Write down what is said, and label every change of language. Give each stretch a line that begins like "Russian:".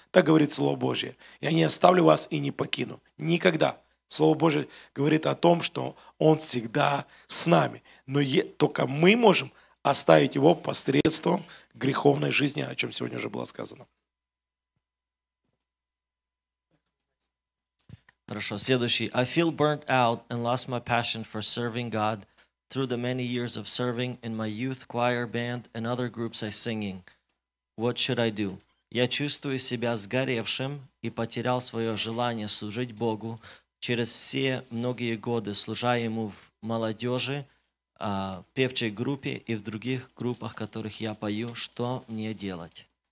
Russian: Так говорит Слово Божие. Я не оставлю вас и не покину. Никогда. Слово Божие говорит о том, что Он всегда с нами. Но только мы можем оставить Его посредством греховной жизни, о чем сегодня уже было сказано. Хорошо. Следующий.
English: I feel burnt out and lost my passion for serving God through the many years of serving in my youth choir band and other groups I singing. What should I do?
Russian: Я чувствую себя сгоревшим и потерял свое желание служить Богу через все многие годы, служа Ему в молодежи, в певчей группе и в других группах, в которых я пою. Что мне делать?